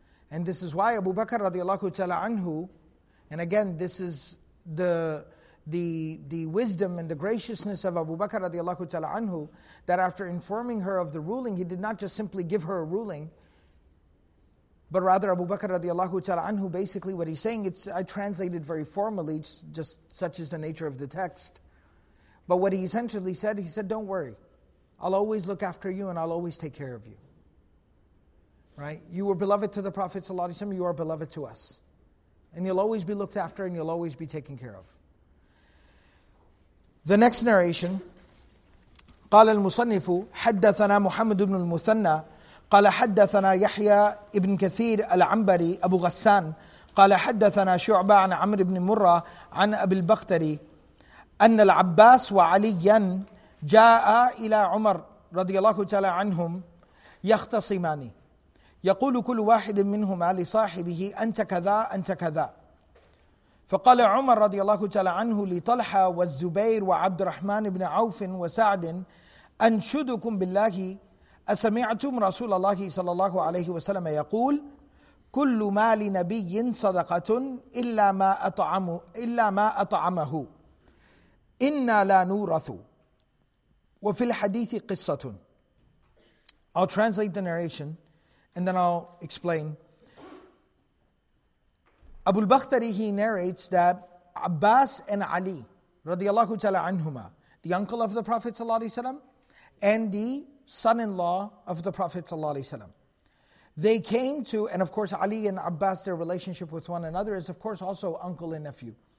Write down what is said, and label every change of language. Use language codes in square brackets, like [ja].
[en] And this is why Abu Bakr radiallahu ta'ala anhu, and again, this is the wisdom and the graciousness of Abu Bakr radiallahu ta'ala anhu, that after informing her of the ruling, he did not just simply give her a ruling, but rather Abu Bakr radiallahu ta'ala anhu, basically what he's saying, I translated very formally, just such is the nature of the text, but what he essentially said, he said, "Don't worry, I'll always look after you and I'll always take care of you." Right? You were beloved to the Prophet sallallahu alaihi wasallam, you are beloved to us. And you'll always be looked after and you'll always be taken care of. The next narration [ar] قال المصنف حدثنا محمد بن المثنى قال حدثنا يحيى ابن كثير العنبري أبو غسان قال حدثنا شعبة عن عمرو بن مرة عن أبي البختري أن العباس وعليا جاء إلى عمر رضي الله تعالى عنهم يختصمان يقول كل واحد منهما لصاحبه أنت كذا أنت كذا فقال عمر رضي الله تعالى عنه لطلحة والزبير وعبد الرحمن بن عوف وسعد أنشدكم بالله أسمعتم رسول الله صلى الله عليه وسلم يقول كل ما لنبي صدقة إلا ما أطعمه إنا لا نورث وفي الحديث قصة. [en] I'll translate the narration and then I'll explain. Abu al-Bakhtari, he narrates that Abbas and Ali radiallahu ta'ala anhuma, the uncle of the Prophet sallallahu alayhi wa sallam and the son-in-law of the Prophet sallallahu alayhi wa sallam, they came to, and of course Ali and Abbas, their relationship with one another is of course also uncle and nephew.